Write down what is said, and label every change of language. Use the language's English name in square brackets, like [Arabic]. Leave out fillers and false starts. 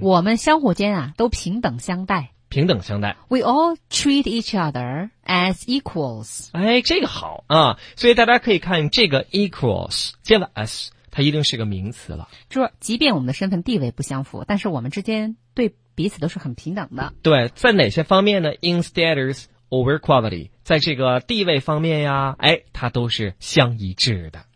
[Chinese] 我们相互间啊都平等相待。平等相待。 [English] We all treat each other as equals。 [Chinese] 哎，这个好啊！所以大家可以看这个 equals 接了 s。它一定是个名词了。就说即便我们的身份地位不相符，但是我们之间对彼此都是很平等的。对，在哪些方面呢？ [English] In status over quality， [Chinese] 在这个地位方面呀，哎，它都是相一致的。